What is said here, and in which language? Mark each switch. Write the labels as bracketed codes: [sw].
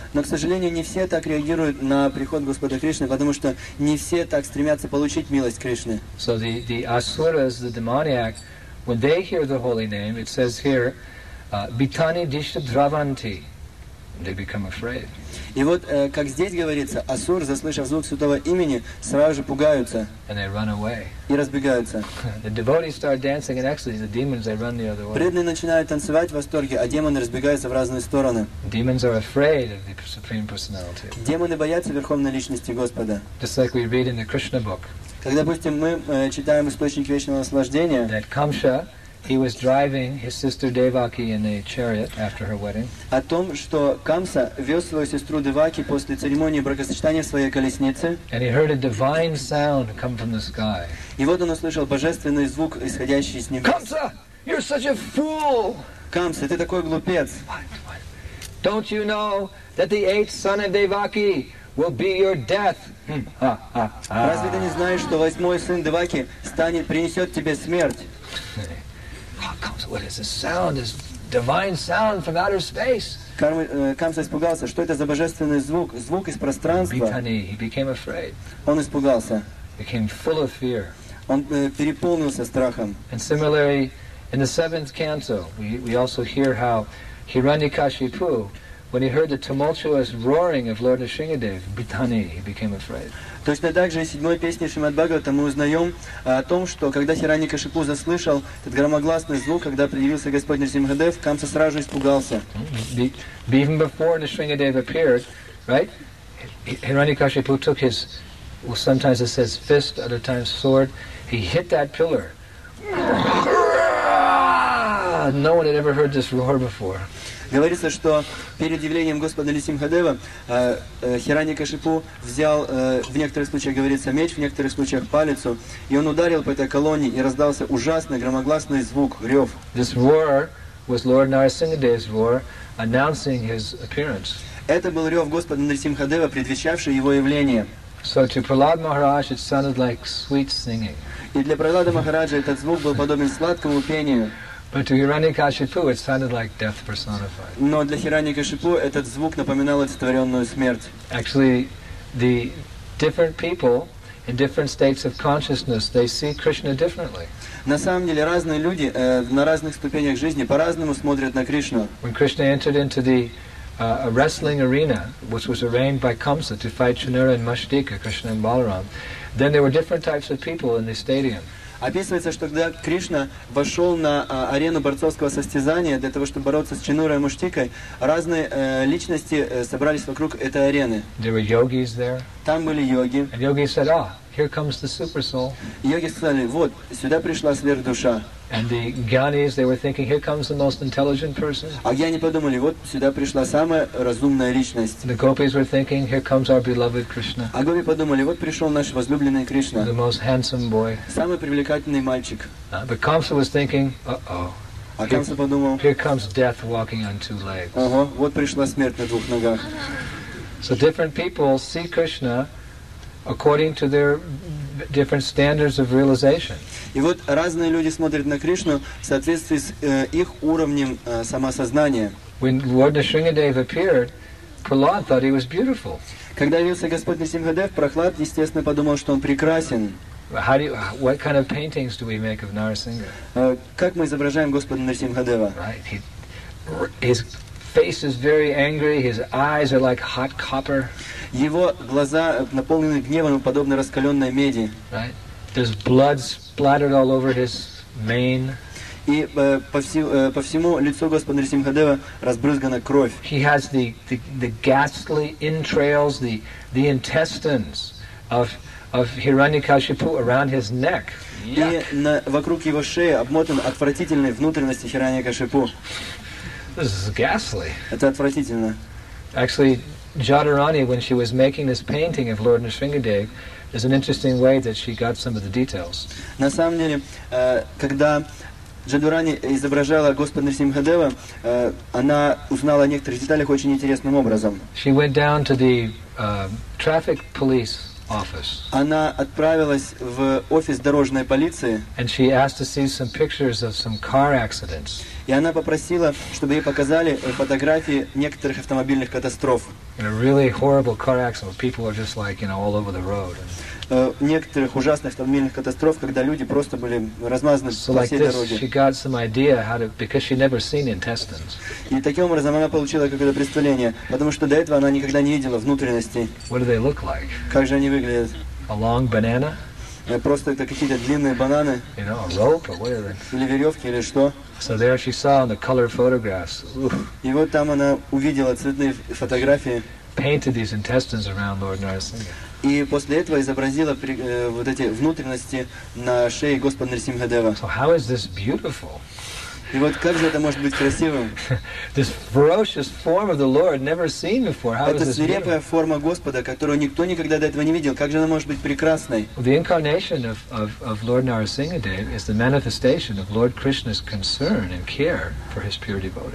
[ru] Но, к сожалению, не все так реагируют на приход Господа Кришны, потому что не все так стремятся получить милость Кришны. [en] So the asuras, the demoniac, when they hear the holy name, it says here, [sa] bitani disha dravanti, [en] they become afraid. [ru] И вот, как здесь говорится, асур, заслышав звук святого имени, сразу же пугаются. [en] And they run away. [ru] И разбегаются. [en] The devotees start dancing in ecstasy, the demons, they run the other way. [ru] Преданные начинают танцевать в восторге, а демоны разбегаются в разные стороны. [en] Demons are afraid of the Supreme Personality. [ru] Демоны боятся Верховной Личности Господа. [en] Just like we read in the Krishna book. [ru] Как, допустим, мы читаем источник вечного наслаждения. [en] That Kamsa, he was driving his sister Devaki in a chariot after her wedding. [ru] О том, что Камса вез свою сестру Деваки после церемонии бракосочетания в своей колеснице. [en] And he heard a divine sound come from the sky. [ru] И вот он услышал божественный звук, исходящий с неба. [en] Камса, you're such a fool! [ru] Камса, ты такой глупец! [en] Don't you know that the eighth son of Devaki will be your death? [ru] Разве ты не знаешь, что восьмой сын Деваки станет, принесет тебе смерть? [en] What is this sound? This divine sound from outer space. [ru] Камса испугался. Что это за божественный звук? Звук из пространства. [en] Bitani, he became afraid. [ru] Он испугался. [en] Became full of fear. [ru] Он переполнился страхом. [en] And similarly, in the seventh canto, we also hear how Hiranyakashipu, when he heard the tumultuous roaring of Lord Nrisimhadev, Bitani, he became afraid. [ru] Точно так же и в седьмой песне Шримад-Бхагаватам мы узнаем о том, что когда Хираньякашипу заслышал этот громогласный звук, когда появился Господь Нрисимхадев, Камса сразу же испугался. [en] Even before Нрисимхадев appeared, right? Хираньякашипу took his, well, sometimes it says fist, other times sword, he hit that pillar. No one had ever heard this roar before. [ru] Говорится, что перед явлением Господа Нрисимхадева Хираньякашипу взял, в некоторых случаях говорится, меч, в некоторых случаях палец, и он ударил по этой колонне, и раздался ужасный громогласный звук, рев. [en] This roar was Lord Narasimhadev's roar, announcing his appearance. [ru] Это был рев Господа Нрисимхадева, предвещавший его явление. [en] So to Prahlad Maharaj it sounded like sweet singing. [ru] И для Прахлада Махараджа этот звук был подобен сладкому пению. [en] But to Hiranyakashipu, it sounded like death personified. [ru] Но для Хираньякашипу этот звук напоминал олицетворенную смерть. [en] Actually, the different people in different states of consciousness, they see Krishna differently. [ru] На самом деле, разные люди на разных ступенях жизни по-разному смотрят на Кришну. [en] When Krishna entered into the wrestling arena, which was arranged by Kamsa to fight Chanura and Mashtika, Krishna and Balaram, then there were different types of people in the stadium. [ru] Описывается, что когда Кришна вошел на арену борцовского состязания для того, чтобы бороться с Чанурой и Муштикой, разные личности собрались вокруг этой арены. [en] There were yogis there. [ru] Там были йоги. [en] And yogi said, "Ah, here comes the super soul." [ru] Йоги сказали, вот, сюда пришла сверхдуша. [en] And the gyanis, they were thinking, here comes the most intelligent person. [ru] А гьяни подумали, вот сюда пришла самая разумная личность. [en] The gopis were thinking, here comes our beloved Krishna. [ru] А гопи подумали, вот пришел наш возлюбленный Кришна. [en] The most handsome boy. [ru] Самый привлекательный мальчик. [en] But Kamsa was thinking, uh-oh. [ru] А Камса подумал, [en] here comes death walking on two legs. [ru] Ого, вот пришла смерть на двух ногах. [en] So different people see Krishna according to their different standards of realization. [ru] И вот разные люди смотрят на Кришну в соответствии с их уровнем самосознания. [en] When Lord Nrisimhadev appeared, Prahlad thought he was beautiful. [ru] Когда явился Господь Нрисимхадев, Прахлад, естественно, подумал, что он прекрасен. [en] How do you, what kind of paintings do we make of Narasimha? [ru] Как мы изображаем Господа Нрисимхадева? [en] His face is very angry. His eyes are like hot copper. [ru] Его глаза наполнены гневом, подобно раскаленной меди. [en] Right? There's blood splattered all over his mane. [ru] И по всему лицу Господа Нрисимхадева разбрызгана кровь. [en] He has the ghastly entrails, the intestines of Hiranyakashipu around his neck. [ru] И вокруг его шеи обмотан отвратительной внутренности Hiranyakashipu. [en] This is ghastly. [ru] Это отвратительно. [en] Actually, Jadarani, when she was making this painting of Lord Nrisimhadev, there's an interesting way that she got some of the details. [ru] На самом деле, когда Джадурани изображала Господа Нрисимхадева, она узнала о некоторых деталях очень интересным образом. [en] She went down to the traffic police office. [ru] Она отправилась в офис дорожной полиции. [en] And she asked to see some pictures of some car accidents. [ru] И она попросила, чтобы ей показали фотографии некоторых автомобильных катастроф. [en] In a really horrible car accident, people are just like, you know, all over the road. [ru] Некоторых ужасных автомобильных катастроф, когда люди просто были размазаны по всей дороге. [en] She got some idea how to, because she'd never seen intestines. [ru] И таким образом она получила какое-то представление, потому что до этого она никогда не видела внутренности. [en] What do they look like? [ru] Как же они выглядят? [en] A long banana? [ru] Просто это какие-то длинные бананы? [en] You know, a rope or what are they? [ru] Или веревки, или что? [en] So there she saw on the color photographs. [ru] И вот там она увидела цветные фотографии. [en] Painted these intestines around Lord Narasimha. [ru] И после этого изобразила вот эти внутренности на шее Господа Нрисимхадева. [en] So how is this beautiful? [ru] И вот как же это может быть красивым? [en] This ferocious form of the Lord never seen before. How is this? [ru] Это свирепая форма Господа, которую никто никогда до этого не видел. Как же она может быть прекрасной? [en] The incarnation of Lord Narasimhadev is the manifestation of Lord Krishna's concern and care for his pure devotee.